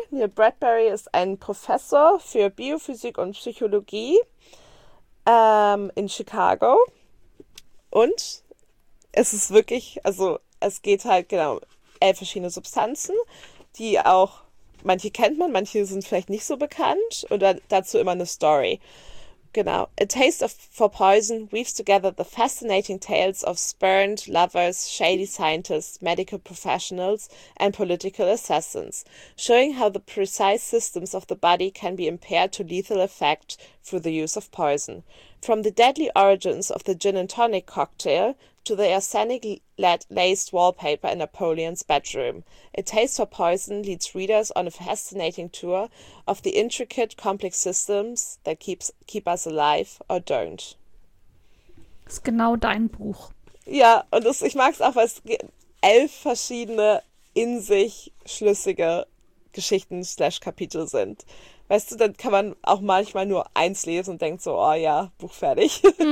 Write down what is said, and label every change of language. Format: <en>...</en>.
<de>Neil Bradbury ist ein Professor für Biophysik und Psychologie in Chicago. Und es ist wirklich, also es geht halt genau 11 verschiedene Substanzen, die auch, manche kennt man, manche sind vielleicht nicht so bekannt. Und dazu immer eine Story. Genau.</de> <en>A Taste for Poison weaves together the fascinating tales of spurned lovers, shady scientists, medical professionals and political assassins, showing how the precise systems of the body can be impaired to lethal effect through the use of poison. From the deadly origins of the gin and tonic cocktail to the arsenic laced wallpaper in Napoleon's bedroom, A Taste for Poison leads readers on a fascinating tour of the intricate, complex systems that keep us alive or don't.</en> <de>Das ist genau dein Buch. Ja, und ich mag es auch, weil es 11 verschiedene in sich schlüssige Geschichten / Kapitel sind. Weißt du, dann kann man auch manchmal nur eins lesen und denkt so, oh ja, Buch fertig.</de>